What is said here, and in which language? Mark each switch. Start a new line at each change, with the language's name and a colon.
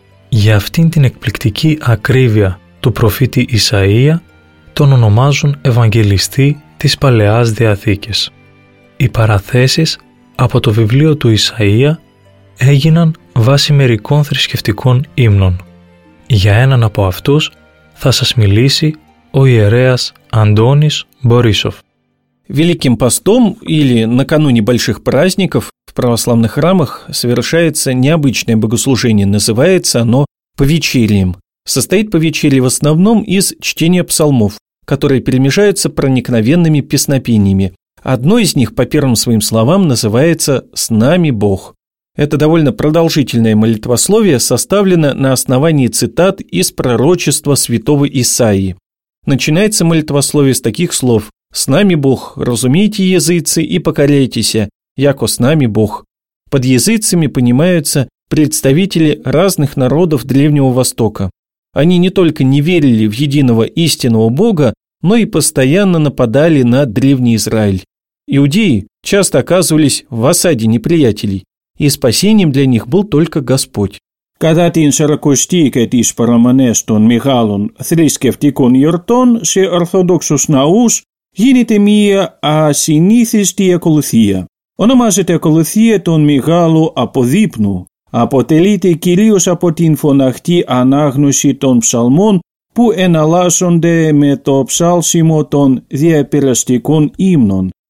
Greek: Για αυτήν την εκπληκτική ακρίβεια του προφήτη Ισαΐα τον ονομάζουν Ευαγγελιστή της Παλαιάς Διαθήκης. Οι παραθέσεις από το βιβλίο του Ισαΐα έγιναν βάσει μερικών θρησκευτικών ύμνων. Για έναν από αυτούς θα σας μιλήσει ο ιερέας Αντώνης Μπορίσοφ.
Russian: Великим постом или накануне больших праздников в православных храмах совершается необычное богослужение, называется оно повечерием. Состоит повечерие в основном из чтения псалмов, которые перемежаются проникновенными песнопениями. Одно из них, по первым своим словам, называется «С нами Бог». Это довольно продолжительное молитвословие составлено на основании цитат из пророчества святого Исаии. Начинается молитвословие с таких слов: «С нами Бог, разумейте, языцы, и покоряйтесь, яко с нами Бог». Под языцами понимаются представители разных народов Древнего Востока. Они не только не верили в единого истинного Бога, но и постоянно нападали на Древний Израиль. Иудеи часто оказывались в осаде неприятелей, и спасением для них был только Господь.
Greek: Κατά την σαρακοστήκη της παραμονές των μεγάλων θρησκευτικών γιορτών σε Ορθόδοξους ναούς γίνεται μία ασυνήθιστη ακολουθία. Ονομάζεται ακολουθία των μεγάλων αποδείπνων. Αποτελείται κυρίως από την φωναχτή ανάγνωση των ψαλμών που εναλλάσσονται με το ψάλσιμο των διαπεραστικών ύμνων.